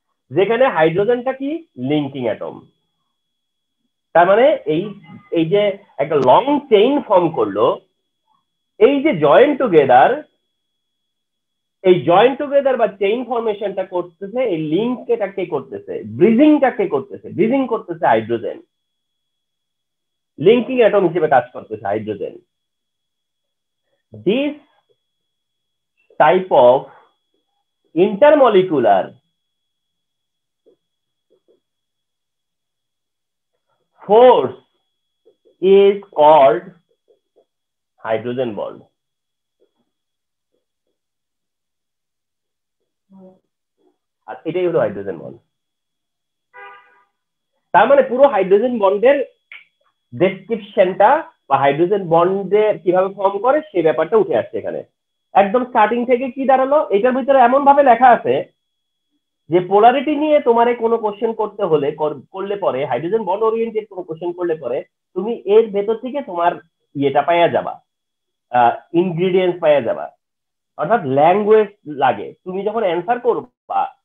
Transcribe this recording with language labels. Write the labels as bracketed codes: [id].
[bn] যেখানে হাইড্রোজেনটা কি linking atom, তার মানে এই এই যে একটা লং চেইন ফর্ম করলো, এই যে জয়েন্ট টুগেদার, এই জয়েন্ট টুগেদার বা চেইন ফর্মেশনটা করতেছে, এই লিঙ্কটাকে করতেছে, ব্রিজিংটাকে করতেছে, ব্রিজিং করতেছে হাইড্রোজেন, লিঙ্কিং অ্যাটম হিসেবে কাজ করতেছে hydrogen. [en] This type of intermolecular force is called hydrogen bond. [bn] আর এটাই হলো হাইড্রোজেন বন্ড, তার মানে পুরো হাইড্রোজেন বন্ডের ডেসক্রিপশনটা হাইড্রোজেন বন্ডে কিভাবে ফর্ম করে সে ব্যাপারটা উঠে আসছে এখানে একদম স্টার্টিং থেকে। কি দাঁড়ালো এটার ভিতরে এমন ভাবে লেখা আছে যে পোলারিটি নিয়ে তোমারে কোনো কোশ্চেন করতে হলে করলে পরে, হাইড্রোজেন বন্ড ওরিয়েন্টেড কোনো কোশ্চেন করলে পরে তুমি এর ভেতর থেকে তোমার ইয়েটা পাইয়া যাবা, ইনগ্রিডিয়েন্টস পাইয়া যাবা, অর্থাৎ ল্যাঙ্গুয়েজ লাগে তুমি যখন অ্যান্সার করবা।